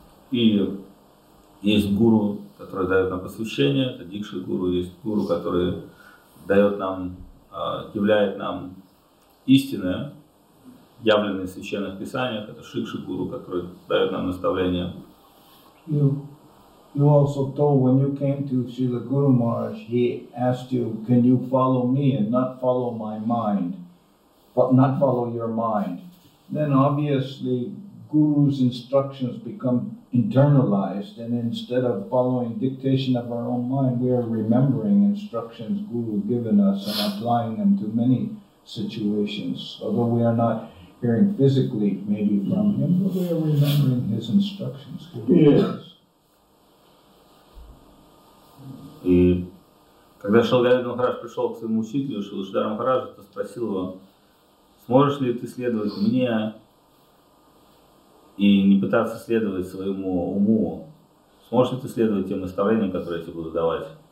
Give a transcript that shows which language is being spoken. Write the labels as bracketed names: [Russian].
[Russian] И есть гуру, который дает нам посвящение, это дикши гуру, есть гуру, который дает нам, являет нам истинное, явленное в священных писаниях, это шикши гуру, который дает нам наставление. [English] You also told when you came to Srila Guru Maharaj, he asked you, can you follow me and not follow my mind, but not follow your mind? Then obviously Guru's instructions become internalized, and instead of following dictation of our own mind, we are remembering instructions Guru given us and applying them to many situations. Although we are not hearing physically maybe from him, but we are remembering his instructions. [Russian] И когда Шилгарида Махарадж пришел к своему учителю, Шилгарида Махараджа, то спросил его, сможешь ли ты следовать мне и не пытаться следовать своему уму, сможешь ли ты следовать тем наставлениям, которые я тебе буду давать?